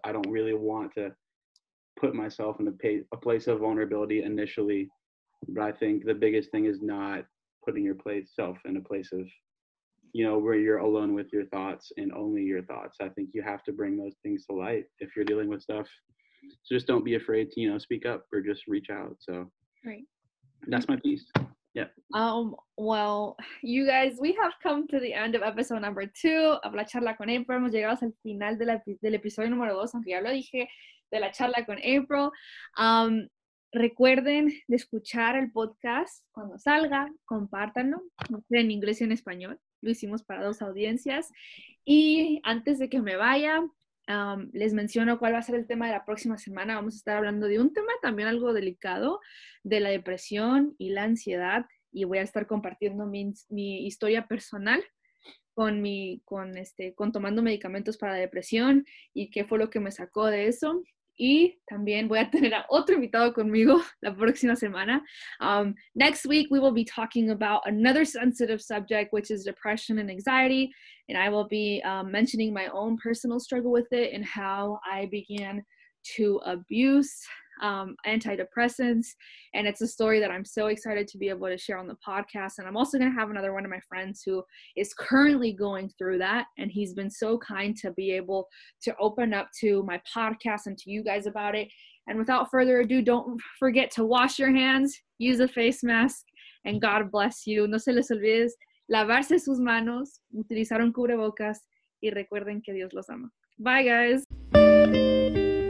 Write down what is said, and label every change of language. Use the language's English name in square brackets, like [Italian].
[English] I don't really want to put myself in a place of vulnerability initially, but I think the biggest thing is not putting yourself in a place of, you know, where you're alone with your thoughts and only your thoughts. I think you have to bring those things to light if you're dealing with stuff. So just don't be afraid to, you know, speak up or just reach out. So Right. That's my piece. Yeah. Well, you guys, we have come to the end of episode number 2 of La Charla con April. [Spanish] Hemos llegado al final del episodio número 2, aunque ya lo dije, de La Charla con April. Recuerden de escuchar el podcast cuando salga, compártanlo, en inglés y en español. Lo hicimos para 2 audiencias. Y antes de que me vaya, les menciono cuál va a ser el tema de la próxima semana. Vamos a estar hablando de un tema también algo delicado, de la depresión y la ansiedad, y voy a estar compartiendo mi historia personal con tomando medicamentos para la depresión y qué fue lo que me sacó de eso. Y también voy a tener a otro invitado conmigo la próxima semana. [English] Next week we will be talking about another sensitive subject, which is depression and anxiety, and I will be mentioning my own personal struggle with it and how I began to abuse antidepressants. And it's a story that I'm so excited to be able to share on the podcast. And I'm also going to have another one of my friends who is currently going through that, and he's been so kind to be able to open up to my podcast and to you guys about it. And without further ado, don't forget to wash your hands, use a face mask, and God bless you. [Spanish] No se les olvide lavarse sus manos, utilizar un cubrebocas, y recuerden que Dios los ama. [English] Bye, guys.